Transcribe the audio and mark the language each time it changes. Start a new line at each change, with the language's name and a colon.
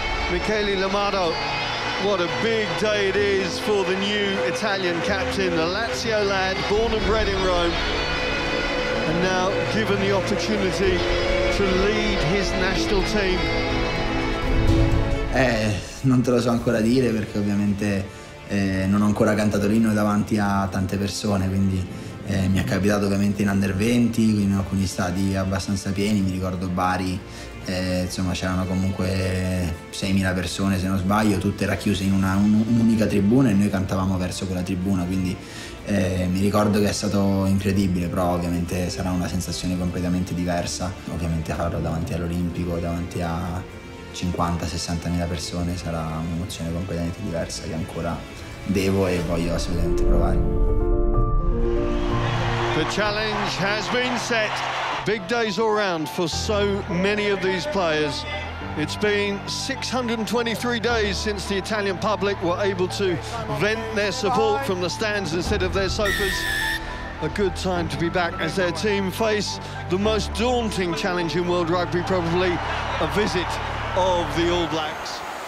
English: Michele Lamado, what a big day it is for the new Italian captain, the Lazio lad, born and bred in Rome, and now given the opportunity to lead his national team.
Italian: Non te lo so ancora dire perché ovviamente non ho ancora cantato l'inno davanti a tante persone, quindi mi è capitato ovviamente in Under 20, quindi in alcuni stadi abbastanza pieni, mi ricordo Bari. Insomma c'erano comunque 6.000 persone se non sbaglio, tutte racchiuse in un'unica tribuna e noi cantavamo verso quella tribuna, quindi mi ricordo che è stato incredibile, però ovviamente sarà una sensazione completamente diversa, ovviamente farlo davanti all'Olimpico, davanti a 50-60.000 persone sarà un'emozione completamente diversa che ancora devo e voglio assolutamente provare.
English: The challenge has been set. Big days all round for so many of these players. It's been 623 days since the Italian public were able to vent their support from the stands instead of their sofas. A good time to be back as their team face the most daunting challenge in world rugby, probably a visit of the All Blacks.